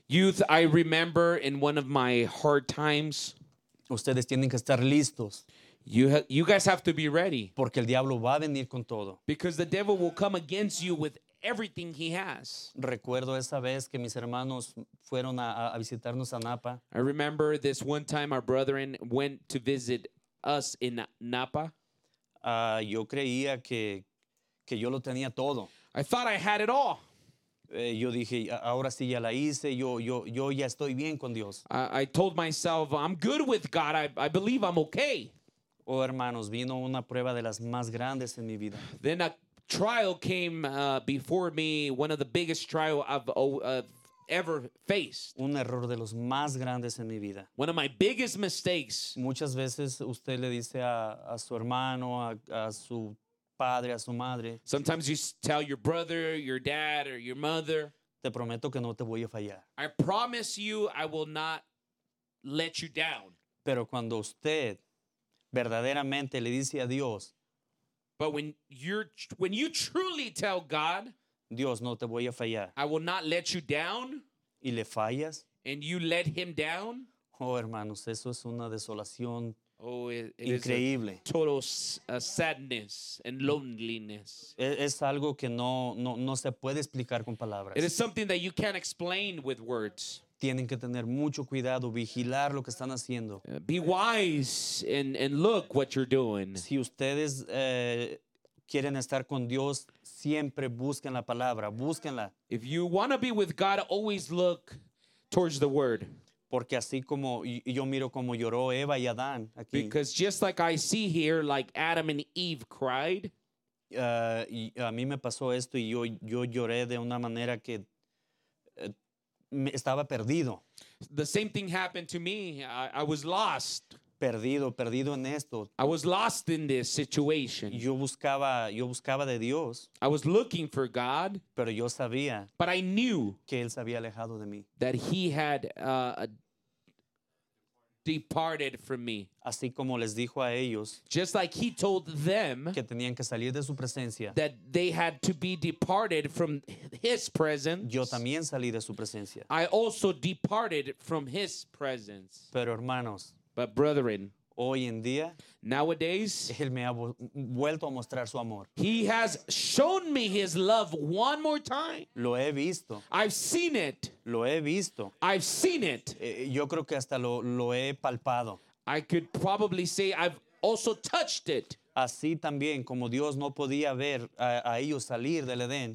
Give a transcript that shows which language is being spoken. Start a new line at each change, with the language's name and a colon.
English: Youth, I remember in one of my hard times.
Spanish: Ustedes tienen que estar listos.
English: You guys have to be ready.
Spanish: Porque el diablo va a venir con todo.
English: Because the devil will come against you with everything he has.
Spanish: Recuerdo esa vez que mis hermanos fueron a visitarnos a Napa.
English: I remember this one time our brethren went to visit us in Napa.
Spanish: Yo creía que yo lo tenía todo.
English: I thought I had it all.
Spanish: Yo dije, ahora sí ya la hice. Yo ya estoy bien con Dios.
English: I told myself, I'm good with God. I believe I'm okay.
Spanish: Oh, hermanos, vino una prueba de las más grandes en mi vida.
English: Then a trial came before me, one of the biggest trials I've ever faced.
Spanish: Un error de los más grandes en mi vida.
English: One of my biggest mistakes.
Spanish: Muchas veces usted le dice a su hermano, a su padre, a su madre.
English: Sometimes you tell your brother, your dad, or your mother.
Spanish: Te prometo que no te voy a fallar.
English: I promise you I will not let you down.
Spanish: Pero cuando usted verdaderamente le dice a Dios.
English: But when you truly tell God.
Spanish: Dios, no te voy a fallar.
English: I will not let you down.
Spanish: Y le fallas.
English: And you let him down.
Spanish: Oh, hermanos, eso es una desolación increíble.
English: Is a total sadness and loneliness.
Spanish: Es algo que no se puede explicar con palabras.
English: It is something that you can't explain with words.
Spanish: Tienen que tener mucho cuidado, vigilar lo que están haciendo.
English: Be wise and look what you're doing.
Spanish: Si ustedes quieren estar con Dios, siempre busquen la palabra, búsquenla.
English: If you want to be with God, always look towards the word.
Spanish: Porque así como yo miro como lloró Eva y Adán aquí.
English: Because just like I see here, like Adam and Eve cried.
Spanish: A mí me pasó esto y yo lloré de una manera que estaba perdido.
English: The same thing happened to me. I was lost.
Spanish: Perdido en esto.
English: I was lost in this situation.
Spanish: Yo buscaba de Dios.
English: I was looking for God.
Spanish: Pero yo sabía.
English: But I knew.
Spanish: Que él se había alejado de mí.
English: That he had departed from me.
Spanish: Así como les dijo a ellos.
English: Just like he told them.
Spanish: Que tenían que salir de su presencia.
English: That they had to be departed from his presence.
Spanish: Yo también salí de su presencia.
English: I also departed from his presence.
Spanish: Pero hermanos.
English: But brethren,
Spanish: hoy en día,
English: nowadays,
Spanish: él me ha vuelto a mostrar su amor.
English: He has shown me his love one more time.
Spanish: Lo he visto.
English: I've seen it.
Spanish: Lo he visto.
English: I've seen it.
Spanish: Yo creo que hasta lo he palpado.
English: I could probably say I've also touched it.
Spanish: Así también como Dios no podía ver a ellos salir del Edén.